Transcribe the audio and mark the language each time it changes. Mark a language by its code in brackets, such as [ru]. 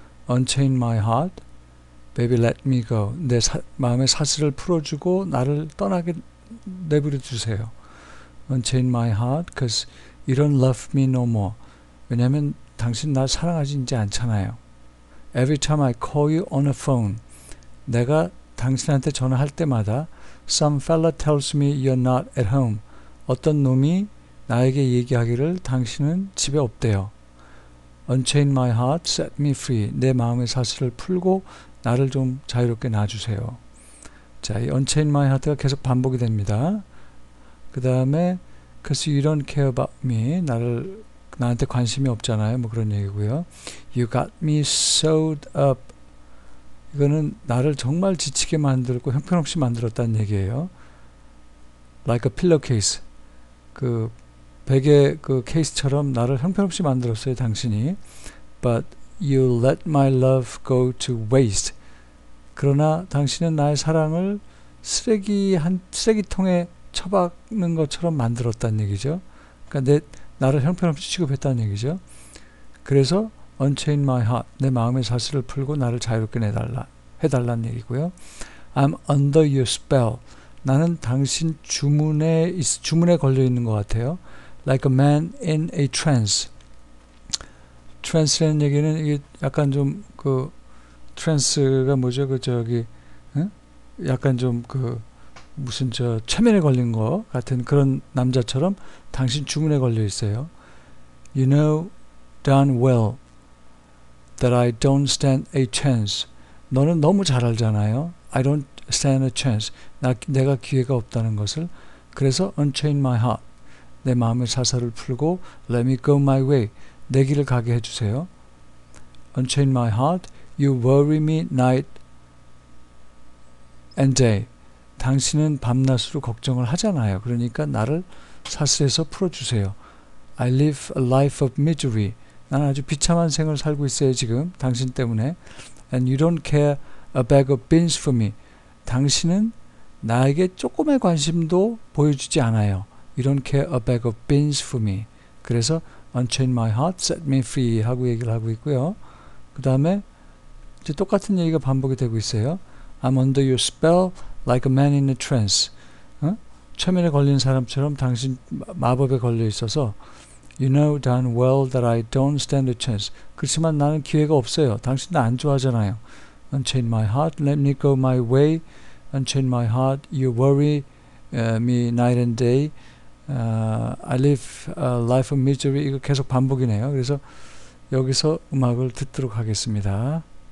[en] Unchain My Heart. Baby, let me go. [ko] 내 마음에 사슬을 풀어주고 나를 떠나게 내버려 두세요. [en] Unchain my heart, 'cause you don't love me no more. [ko] 왜냐면 당신 나 사랑하지 이제 않잖아요. [en] Every time I call you on a phone, 내가 당신한테 전화할 때마다 some fella tells me you're not at home. [ko] 어떤 놈이 나에게 얘기하기를 당신은 집에 없대요. [en] Unchain my heart, set me free. [ko] 내 마음의 사슬을 풀고 나를 좀 자유롭게 놔주세요. 자, 이 Unchain My Heart가 계속 반복이 됩니다. [en] 그 다음에 'Cause you don't care about me' 나한테 관심이 없잖아요. 뭐 그런 얘기고요. You got me sewed up. [ko] 이거는 나를 정말 지치게 만들고 형편없이 만들었다는 얘기예요. [en] Like a pillowcase. [ko] 그 베개 그 케이스처럼 나를 형편없이 만들었어요, 당신이. [en] But you let my love go to waste. [ko] 그러나 당신은 나의 사랑을 쓰레기통에 처박는 것처럼 만들었단 얘기죠. 그러니까 나를 형편없이 취급했다는 얘기죠. 그래서 Unchain my heart, 내 마음의 사슬을 풀고 나를 자유롭게 해달란 얘기고요. [en] I'm under your spell. [ko] 나는 당신 주문에 걸려 있는 것 같아요. [en] Like a man in a trance. [ko] Trance라는 얘기는 이게 약간 좀그 트랜스가 뭐죠? 그 저기 응? 약간 좀그 무슨 저 최면에 걸린 거 같은 그런 남자처럼 당신 주문에 걸려 있어요. [en] You know darn well that I don't stand a chance. 너는 너무 잘 알잖아요. I don't stand a chance. [ko] 내가 기회가 없다는 것을. [en] 그래서 unchain my heart. 내 마음의 사슬을 풀고 let me go my way. [ko] 내 길을 가게 해주세요. Unchain my heart. [en] You worry me night and day. [ko] 당신은 밤낮으로 걱정을 하잖아요. 그러니까 나를 사슬에서 풀어주세요. [en] I live a life of misery. [ko] 난 아주 비참한 생을 살고 있어요, 지금. 당신 때문에. [en] And you don't care a bag of beans for me. [ko] 당신은 나에게 조금의 관심도 보여주지 않아요. [en] You don't care a bag of beans for me. 그래서 Unchain my heart, set me free 하고 얘기를 하고 있고요. [ko] 그 다음에 이제 똑같은 얘기가 반복이 되고 있어요. [en] I'm under your spell like a man in a trance. 응? 최면에 걸린 사람처럼 당신 마법에 걸려 있어서 You know darn well that I don't stand a chance. [ko] 그렇지만 나는 기회가 없어요. 당신 나안 좋아하잖아요. [en] Unchain my heart, let me go my way. Unchain my heart, you worry me night and day. I live a life of misery. 이거 계속 반복이네요. [ko] 그래서 여기서 음악을 듣도록 하겠습니다.